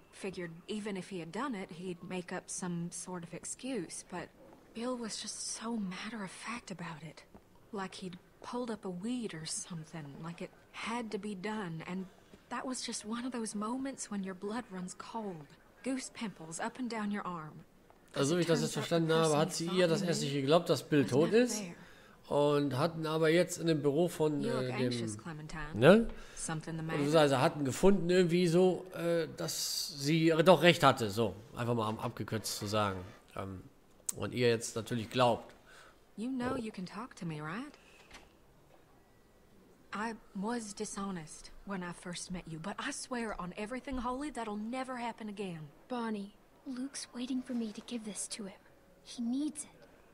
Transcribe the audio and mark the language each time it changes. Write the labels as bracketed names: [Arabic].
[English] Figured even if he had done it, he'd make up some sort of excuse, but Bill was just so matter-of-fact about it. Like he'd pulled up a weed or something, like it had to be done, and that was just one of those moments when your blood runs cold. Goose pimples up and down your arm. [German] Also, wie ich das jetzt verstanden habe, hat sie ihr das erst nicht geglaubt, dass Bill tot ist. Und hatten aber jetzt in dem Büro von dem, ne? Also hatten gefunden irgendwie so, dass sie doch recht hatte, so einfach mal abgekürzt zu sagen. Und ihr jetzt natürlich glaubt. [English] You know you can talk to me, right? I was dishonest when I first met you, but I swear on everything holy that'll never happen again. Bonnie, Luke's waiting for me to give this to him. He needs it.